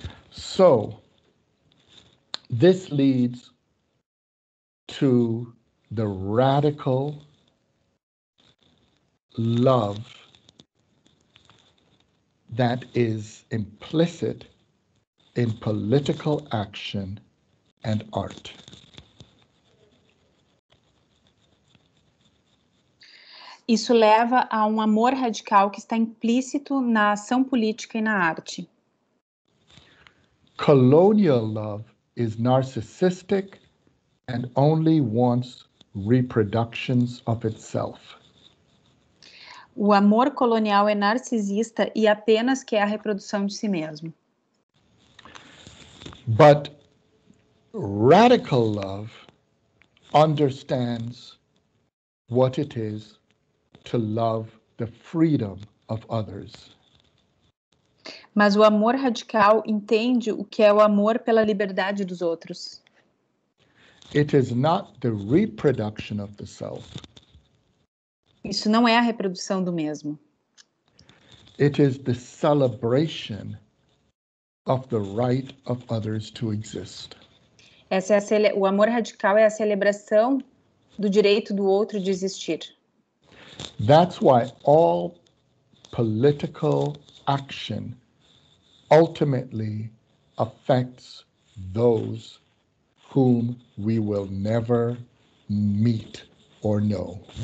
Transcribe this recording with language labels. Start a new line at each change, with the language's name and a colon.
English: So, this leads to the radical love that is implicit in political action and art.
Portuguese: Isso leva a um amor radical que está implícito na ação política e na arte.
English: Colonial love is narcissistic and only wants reproductions of itself.
Portuguese: O amor colonial é narcisista e apenas quer a reprodução de si mesmo.
English: But radical love understands what it is to love the freedom of others.
Portuguese: Mas o amor radical entende o que é o amor pela liberdade dos outros.
English: It is not the reproduction of the self.
Portuguese: Isso não é a reprodução do mesmo.
English: It is the celebration of the right of others to exist.
Portuguese: O amor radical é a celebração do direito do outro de existir.
English: That's why all political action ultimately affects those whom we will never meet or know.